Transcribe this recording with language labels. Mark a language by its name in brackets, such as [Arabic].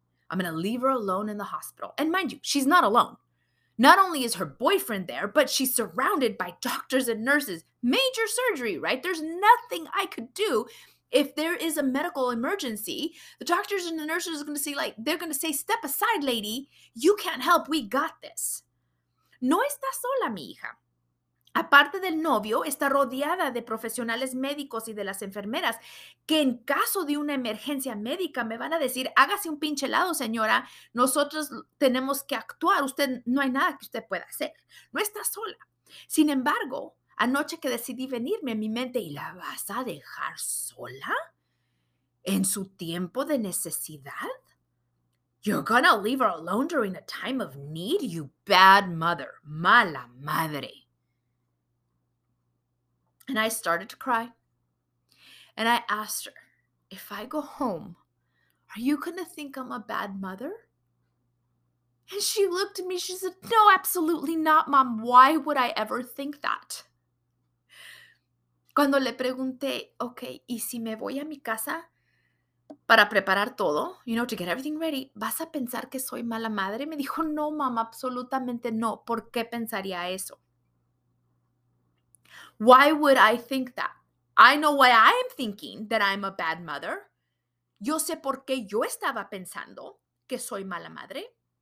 [English] I'm going to leave her alone in the hospital. And mind you, she's not alone. Not only is her boyfriend there, but she's surrounded by doctors and nurses. Major surgery, right? There's nothing I could do. If there is a medical emergency, the doctors and the nurses are going to say, like, they're going to say, step aside, lady. You can't help. We got this. [Spanish] No está sola, mi hija. Aparte del novio, está rodeada de profesionales médicos y de las enfermeras que en caso de una emergencia médica me van a decir, hágase un pinche lado, señora. Nosotros tenemos que actuar. Usted, no hay nada que usted pueda hacer. No está sola. Sin embargo, anoche que decidí venirme a mi mente, ¿y la vas a dejar sola en su tiempo de necesidad? [English] You're gonna leave her alone during a time of need, you bad mother, [Spanish] mala madre. [English] And I started to cry. And I asked her, if I go home, are you gonna think I'm a bad mother? And she looked at me, she said, no, absolutely not, Mom. Why would I ever think that? [Spanish] Cuando le pregunté, okay, ¿y si me voy a mi casa para preparar todo? [English] You know, to get everything ready. [Spanish] ¿Vas a pensar que soy mala madre? Me dijo, no, mamá, absolutamente no. ¿Por qué pensaría eso? [English] Why would I think that? I know why I am thinking that I'm a bad mother. [Spanish] Yo sé por qué yo estaba pensando que soy mala madre.